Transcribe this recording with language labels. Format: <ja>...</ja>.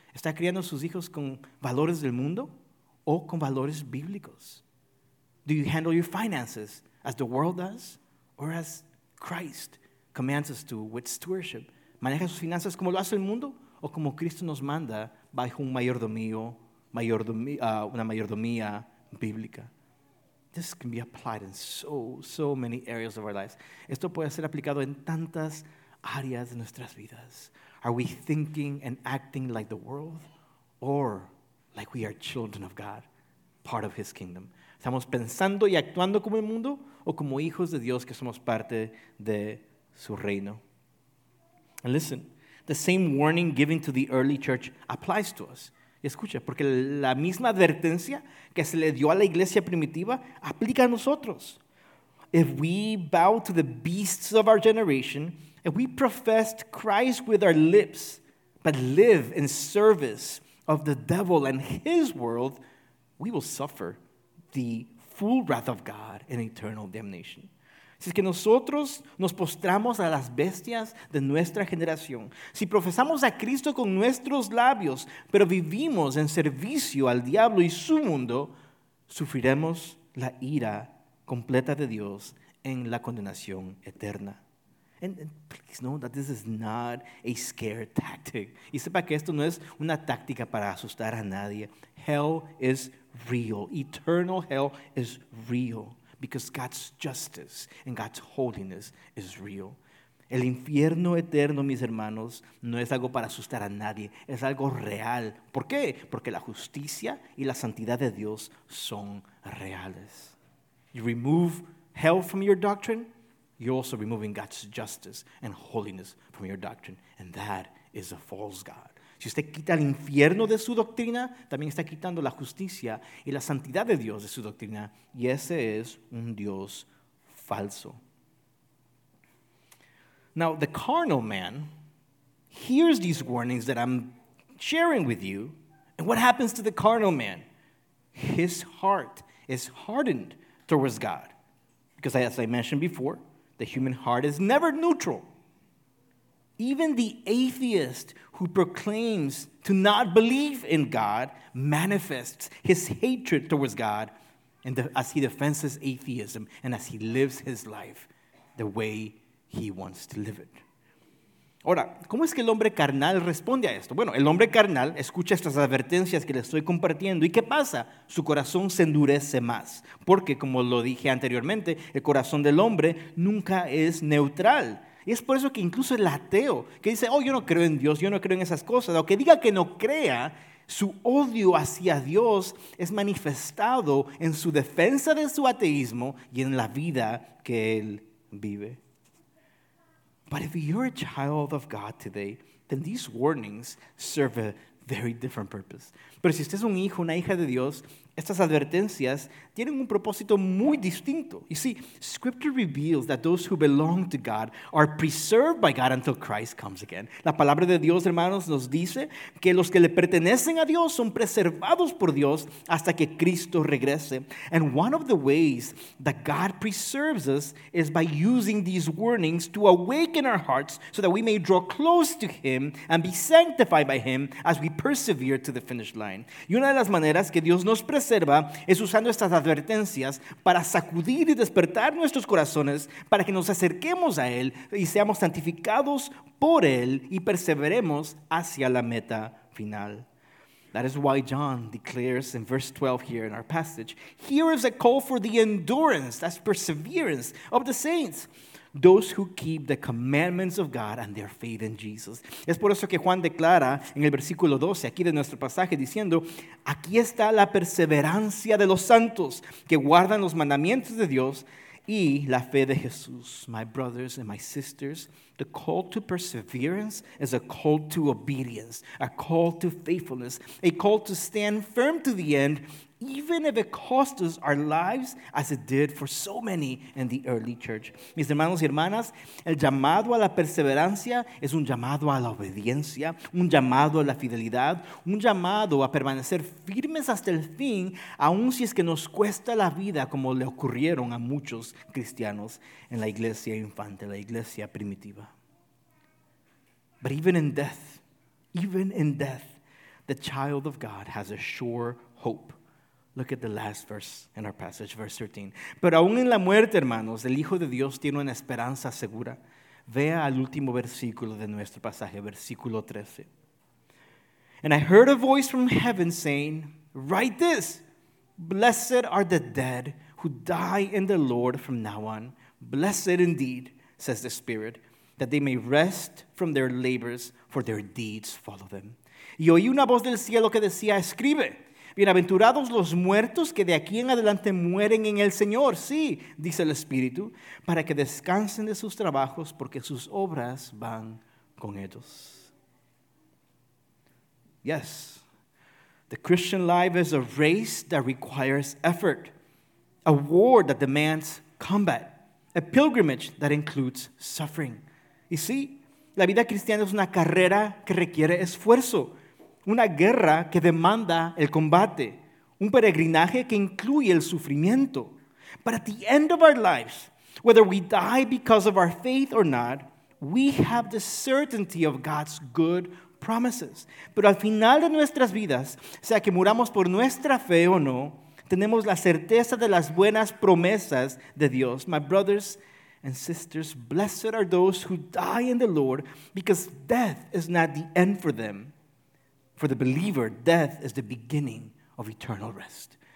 <es>¿Está criando a sus hijos con valores del mundo o con valores bíblicos?</es> <en>Do you handle your finances as the world does or as Christ commands us to with stewardship?</en> <es>¿Maneja sus finanzas como lo hace el mundo o como Cristo nos manda bajo un mayordomía bíblica?</es> <en>This can be applied in so many areas of our lives.</en> <es>Esto puede ser aplicado en tantas áreas de nuestras vidas.</es> <en>Are we thinking and acting like the world or like we are children of God, part of His kingdom?</en> <es>¿Estamos pensando y actuando como el mundo o como hijos de Dios que somos parte de su reino?</es> <en>And listen, the same warning given to the early church applies to us.</en> <es>Y escucha, porque la misma advertencia que se le dio a la iglesia primitiva aplica a nosotros.</es> <en>If we bow to the beasts of our generation, if we profess Christ with our lips, but live in service of the devil and his world, we will suffer the full wrath of God and eternal damnation.</en> <es>Si es que nosotros nos postramos a las bestias de nuestra generación, si profesamos a Cristo con nuestros labios, pero vivimos en servicio al diablo y su mundo, sufriremos la ira completa de Dios en la condenación eterna.</es> <en>And please know that this is not a scare tactic.</en> <es>Y sepa que esto no es una táctica para asustar a nadie.</es> <en>Hell is real. Eternal hell is real. Because God's justice and God's holiness is real.</en> <es>El infierno eterno, mis hermanos, no es algo para asustar a nadie. Es algo real. ¿Por qué? Porque la justicia y la santidad de Dios son reales.</es> <en>You remove hell from your doctrine, you're also removing God's justice and holiness from your doctrine. And that is a false God.</en> <es>Si usted quita el infierno de su doctrina, también está quitando la justicia y la santidad de Dios de su doctrina. Y ese es un Dios falso.</es> <en>Now, the carnal man hears these warnings that I'm sharing with you. And what happens to the carnal man? His heart is hardened towards God. Because as I mentioned before, the human heart is never neutral. Even the atheist who proclaims to not believe in God manifests his hatred towards God and as he defends his atheism and as he lives his life the way he wants to live it.</en> <es>Ahora, ¿cómo es que el hombre carnal responde a esto? Bueno, el hombre carnal escucha estas advertencias que le estoy compartiendo. ¿Y qué pasa? Su corazón se endurece más. Porque, como lo dije anteriormente, el corazón del hombre nunca es neutral. Y es por eso que incluso el ateo, que dice, oh, yo no creo en Dios, yo no creo en esas cosas, aunque diga que no crea, su odio hacia Dios es manifestado en su defensa de su ateísmo y en la vida que él vive.</es> <en>But if you're a child of God today, then these warnings serve a very different purpose.</en> <es>Pero si usted es un hijo, una hija de Dios, estas advertencias tienen un propósito muy distinto.</es> <en>You see, Scripture reveals that those who belong to God are preserved by God until Christ comes again.</en> <es>La palabra de Dios, hermanos, nos dice que los que le pertenecen a Dios son preservados por Dios hasta que Cristo regrese.</es> <en>And one of the ways that God preserves us is by using these warnings to awaken our hearts so that we may draw close to Him and be sanctified by Him as we persevere to the finish line.</en> <es>Y una de las maneras que Dios nos preserva es usando estas advertencias para sacudir y despertar nuestros corazones para que nos acerquemos a Él y seamos santificados por Él y perseveremos hacia la meta final.</es> <en>That is why John declares in verse 12 here in our passage, here is a call for the endurance, that's perseverance, of the saints. Those who keep the commandments of God and their faith in Jesus.</en> <es>Es por eso que Juan declara en el versículo 12 aquí de nuestro pasaje diciendo, aquí está la perseverancia de los santos que guardan los mandamientos de Dios y la fe de Jesús.</es> <en>My brothers and my sisters, the call to perseverance is a call to obedience, a call to faithfulness, a call to stand firm to the end, even if it costs us our lives, as it did for so many in the early church.</en> <es>Mis hermanos y hermanas, el llamado a la perseverancia es un llamado a la obediencia, un llamado a la fidelidad, un llamado a permanecer firmes hasta el fin, aun si es que nos cuesta la vida, como le ocurrieron a muchos cristianos en la iglesia infante, la iglesia primitiva.</es> <en>But even in death, the child of God has a sure hope. Look at the last verse in our passage, verse 13.</en> <es>Pero aún en la muerte, hermanos, el Hijo de Dios tiene una esperanza segura. Vea al último versículo de nuestro pasaje, versículo 13.</es> <en>And I heard a voice from heaven saying, write this, blessed are the dead who die in the Lord from now on. Blessed indeed, says the Spirit, that they may rest from their labors, for their deeds follow them.</en> <es>Y oí una voz del cielo que decía, escribe, bienaventurados los muertos que de aquí en adelante mueren en el Señor, sí, dice el Espíritu, para que descansen de sus trabajos porque sus obras van con ellos.</es> <en>Yes, the Christian life is a race that requires effort, a war that demands combat, a pilgrimage that includes suffering.</en> <es>Y sí, la vida cristiana es una carrera que requiere esfuerzo, una guerra que demanda el combate, un peregrinaje que incluye el sufrimiento.</es> <en>But at the end of our lives, whether we die because of our faith or not, we have the certainty of God's good promises.</en> <es>Pero al final de nuestras vidas, sea que muramos por nuestra fe o no, tenemos la certeza de las buenas promesas de Dios.</es> <en>My brothers and sisters, blessed are those who die in the Lord because death is not the end for them. For the believer, death is the beginning of eternal rest.</en>